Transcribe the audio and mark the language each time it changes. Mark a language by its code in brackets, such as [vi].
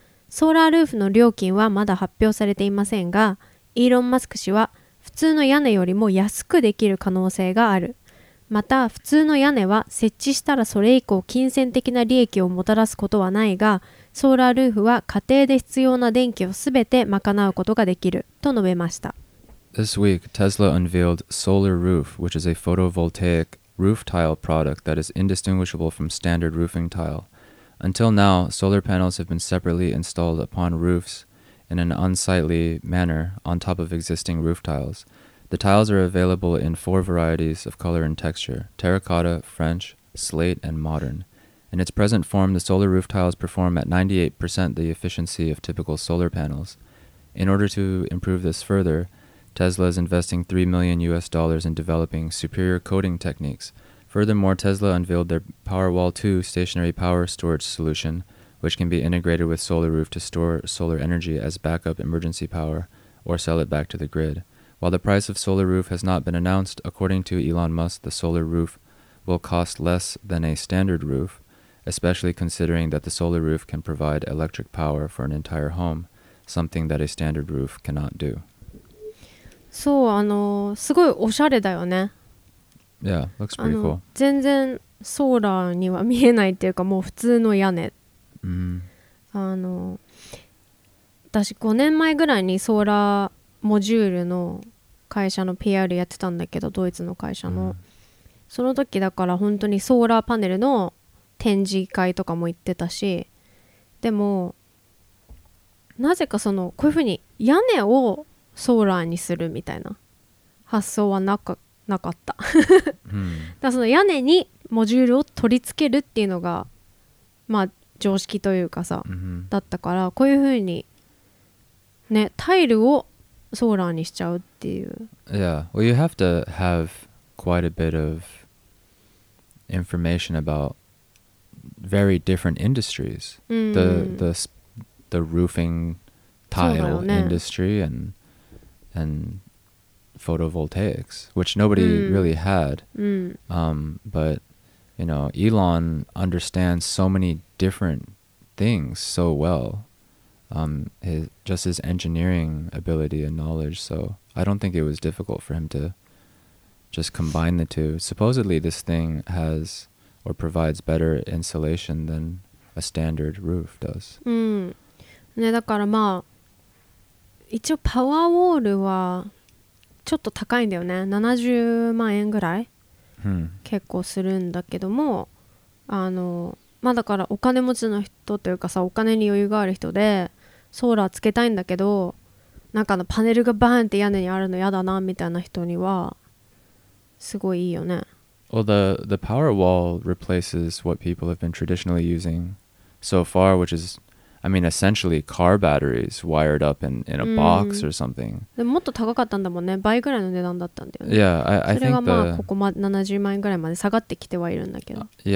[ja] ソーラールーフの料金はまだ発表されていませんが、イーロン・マスク氏は普通の屋根よりも安くできる可能性がある、また普通の屋根は設置したらそれ以降金銭的な利益をもたらすことはないが、ソーラールーフは家庭で必要な電気をすべて賄うことができると述べました。 [en] This week, Tesla unveiled Solar Roof, which is a photovoltaic roof tile product that is indistinguishable from standard roofing tile. Until now, solar panels have been separately installed upon roofs in an unsightly manner on top of existing roof tiles. The tiles are available in 4 varieties of color and texture: terracotta, French, slate, and modern. In its present form, the solar roof tiles perform at 98% the efficiency of typical solar panels. In order to improve this further,Tesla is investing $3 million in developing superior coating techniques. Furthermore, Tesla unveiled their Powerwall 2 stationary power storage solution, which can be integrated with Solar Roof to store solar energy as backup emergency power or sell it back to the grid. While the price of Solar Roof has not been announced, according to Elon Musk, the Solar Roof will cost less than a standard roof, especially considering that the Solar Roof can provide electric power for an entire home, something that a standard roof cannot do. [ja] そう、すごいおしゃれだよね。 [en] Yeah, looks pretty cool. [ja] 全然ソーラーには見えないっていうか、もう普通の屋根、私5年前ぐらいにソーラーモジュールの会社の PR やってたんだけど、ドイツの会社の、その時だから本当にソーラーパネルの展示会とかも行ってたし、でもなぜかそのこういう風に屋根をソーラーにするみたいな発想はなかった、だからその屋根にモジュールを取り付けるっていうのがまあ常識というかさ、だったから、こういうふうにね、タイルをソーラーにしちゃうっていう。 [en] Yeah, well, you have to have quite a bit of information about very different industries. The roofing tile、ね、 industry and photovoltaics, which nobody really had. But, you know, Elon understands so many different things so well. His engineering ability and knowledge. So I don't think it was difficult for him to just combine the two. Supposedly this thing has or provides better insulation than a standard roof does. [ja] ね、だからまあ一応パワーウォールはちょっと高いんだよね。 70万円ぐらい、結構するんだけども、まあだからお金持ちの人というかさ、お金に余裕がある人でソーラーつけたいんだけど、なんかのパネルがバーンって屋根にあるの嫌だなみたいな人にはすごいいいよね。 [en] Well, the power wall replaces what people have been traditionally using so far, which isI mean, essentially car batteries wired up in a box or something. [ja] でももっと高かったんだもんね。倍ぐらいの値段だったんだよね。 [en] Yeah, I think [ja] それがまあここ70万円ぐらいまで下がってきてはいるんだけど。